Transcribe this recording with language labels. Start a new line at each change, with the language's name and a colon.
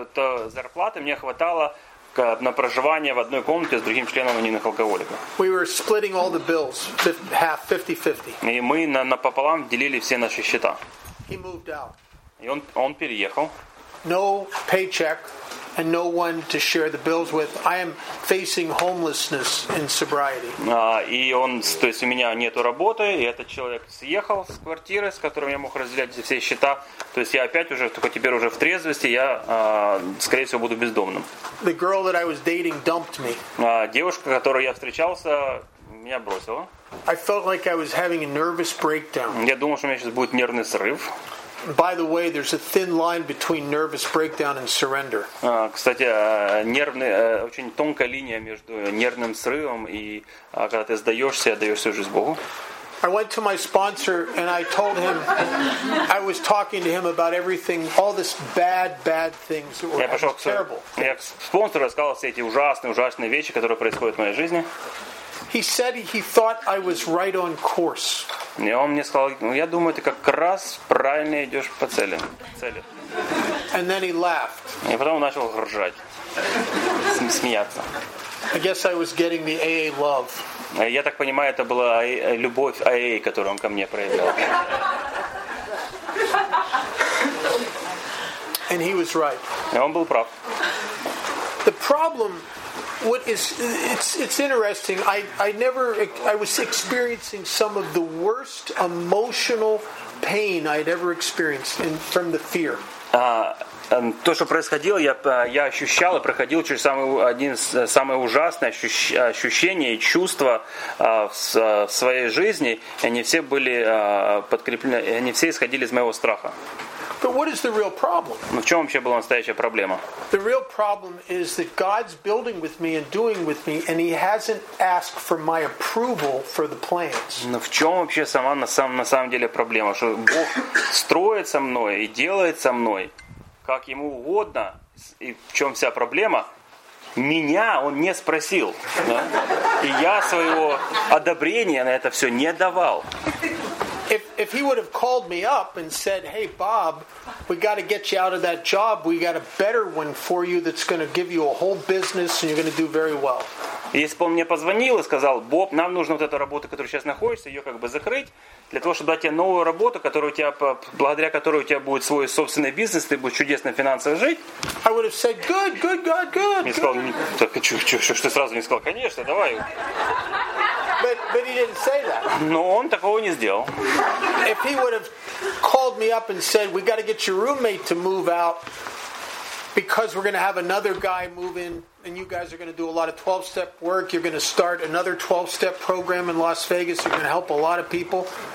Russian: То зарплаты мне хватало на проживание в одной комнате с другим членом анонимных алкоголиков.
English: We were splitting all the bills, half 50-50.
Russian: И мы напополам делили все наши счета.
English: He moved out.
Russian: И он переехал.
English: No paycheck and no one to share the bills with. I am facing homelessness in sobriety.
Russian: То есть у меня нету работы, и этот человек съехал с квартиры, с которым я мог разделять все счета. То есть я опять уже, только теперь уже в трезвости, я, скорее всего, буду бездомным.
English: The girl that I was dating dumped me.
Russian: Девушка, с которой я встречался, меня бросила.
English: I felt like I was having a nervous breakdown.
Russian: Я думал, что у меня сейчас будет нервный срыв.
English: By the way, there's a thin line between nervous breakdown and surrender.
Russian: Кстати, очень тонкая линия между нервным срывом и когда ты сдаешься, отдаешь всю жизнь Богу.
English: I went to my sponsor and I told him I was talking to him about everything, all this bad things that were terrible.
Russian: Я к спонсору рассказал все эти ужасные вещи, которые происходят в моей жизни.
English: He said he thought I was right on course.
Russian: И он мне сказал, ну, я думаю, ты как раз правильно идешь по цели.
English: And then he laughed.
Russian: И потом он начал ржать, смеяться.
English: I guess I was getting the AA love.
Russian: Я так понимаю, это была любовь AA, которую он ко мне проявлял.
English: And he was right.
Russian: И он был прав.
English: The problem, what is, it's interesting. I was experiencing some of the worst emotional pain I'd ever experienced from the fear.
Russian: То, что происходило, я ощущал и проходил через самые ужасные ощущения и чувства в своей жизни, и они все были подкреплены, и они все исходили из моего страха.
English: But what is the real problem?
Russian: Ну, в чем вообще была настоящая проблема?
English: The real problem is that God's building with me and doing with me, and He hasn't asked for my approval for the plans.
Russian: Ну, в чем вообще сама на самом деле проблема, что Бог строит со мной и делает со мной, как ему угодно, и в чем вся проблема? Меня он не спросил, да? И я своего одобрения на это все не давал.
English: If he would have called me up and said, "Hey, Bob, we got to get you out of that job. We got a better one for you that's going to give you a whole business and you're going to do very well."
Russian: Если бы он мне позвонил и сказал, Боб, нам нужно вот эту работу, в которой сейчас находишься, ее как бы закрыть, для того, чтобы дать тебе новую работу, которую у тебя, благодаря которой у тебя будет свой собственный бизнес, ты будешь чудесно финансово жить.
English: I would have said, good, good, God, good.
Russian: Мне сказал, так, что ты сразу не сказал, конечно, давай.
English: But he didn't say that.
Russian: Но он такого не сделал.
English: If he would have called me up and said, we got to get your roommate to move out, because we're going to have another guy move in, and you guys are going to do a lot of 12-step work. You're going to start another 12-step program in Las Vegas. You're going to help a lot of people.